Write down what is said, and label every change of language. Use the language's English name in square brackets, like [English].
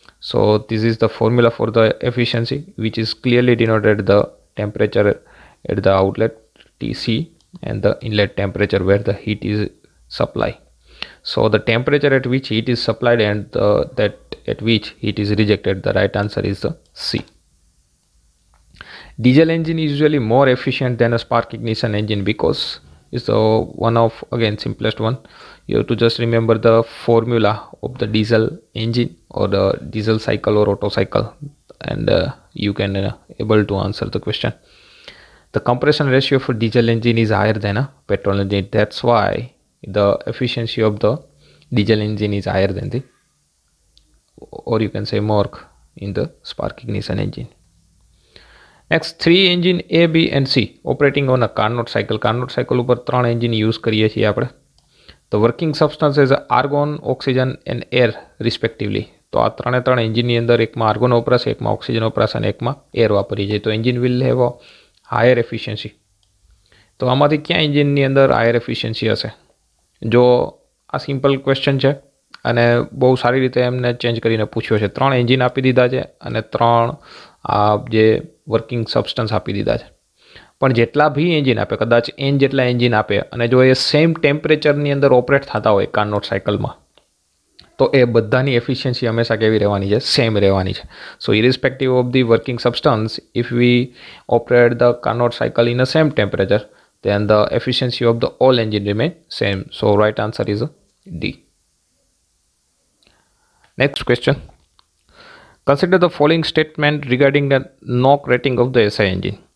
[English] So this is the formula for the efficiency which is clearly denoted the temperature at the outlet T C and the inlet temperature where the heat is supply. So the temperature at which heat is supplied and the that at which it is rejected, the right answer is the C. Diesel engine is usually more efficient than a spark ignition engine because it's the one of, again, simplest one. You have to just remember the formula of the diesel engine or the diesel cycle or auto cycle and you can able to answer the question. The compression ratio for diesel engine is higher than a petrol engine. That's why the efficiency of the diesel engine is higher than the, or you can say more in the spark ignition engine. Next, three engine A, B and C operating on a Carnot cycle. [Gujarati] Carnot cycle ઉપર ત્રણ engine use કરીએ છીએ આપણે. [English] The working substance is argon, oxygen and air respectively. [Gujarati] તો આ ત્રણે ત્રણ એન્જિનની અંદર એકમાં આર્ગોન વપરાશ, એકમાં ઓક્સિજન વપરાશ અને એકમાં એર વાપરીએ છીએ. તો [English] Engine will have a higher efficiency. [Gujarati] તો આમાંથી ક્યાં એન્જિનની અંદર હાયર એફિશિયન્સી હશે? જો આ સિમ્પલ ક્વેશ્ચન છે અને બહુ સારી રીતે એમને ચેન્જ કરીને પૂછ્યો છે. ત્રણ એન્જિન આપી દીધા છે અને ત્રણ આ જે વર્કિંગ સબસ્ટન્સ આપી દીધા છે. પણ જેટલા બી એન્જિન આપે, કદાચ એન જેટલા એન્જિન આપે અને જો એ સેમ ટેમ્પરેચરની અંદર ઓપરેટ થતા હોય કાર્નોટ સાયકલમાં, તો એ બધાની એફિશિયન્સી હંમેશા કેવી રહેવાની છે? સેમ રહેવાની છે. [English] So irrespective of the working substance, if we operate the Carnot cycle in a same temperature, then the efficiency of the all engine remain same. So right answer is D. Next question, consider the following statement regarding the NOC rating of the SI engine.